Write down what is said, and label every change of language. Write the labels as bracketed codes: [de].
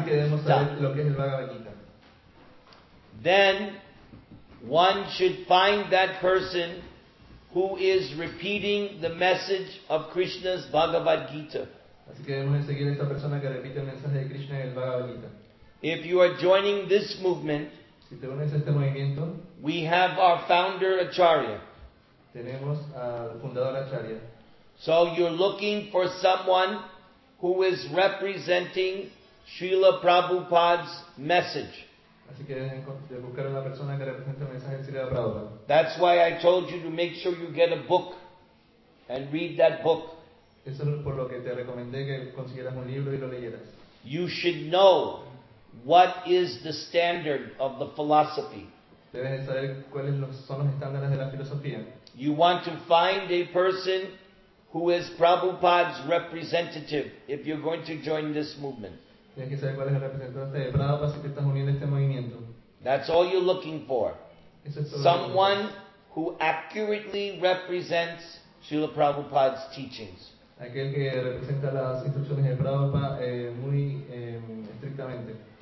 [es] Así que debemos saber lo que es el Bhagavad Gita. [en] Then one should find that person who is repeating the message of Krishna's Bhagavad Gita. [es] Así que debemos seguir a esa persona que repite el mensaje de Krishna en el Bhagavad Gita. [en] If you are joining this movement, [es] si te unes a este movimiento, [en] we have our founder Acharya. [es] Tenemos al fundador Acharya. [en] So you're looking for someone who is representing Srila Prabhupada's message. [es] Así que de buscar a la persona que representa el mensaje de Srila Prabhupada. [en] That's why I told you to make sure you get a book and read that book. [es] Eso es por lo que te recomendé que consiguieras un libro y lo leyeras. [en] You should know what is the standard of the philosophy. [es] Debes saber cuáles son los estándares de la filosofía. [en] You want to find a person who is Prabhupada's representative if you're going to join this movement. [es] Tienes que saber cuál es el representante de Prabhupada si te estás uniendo a este movimiento. [en] That's all you're looking for. Someone who accurately represents Srila Prabhupada's teachings. [es] Aquel que representa las instrucciones de Prabhupada muy estrictamente.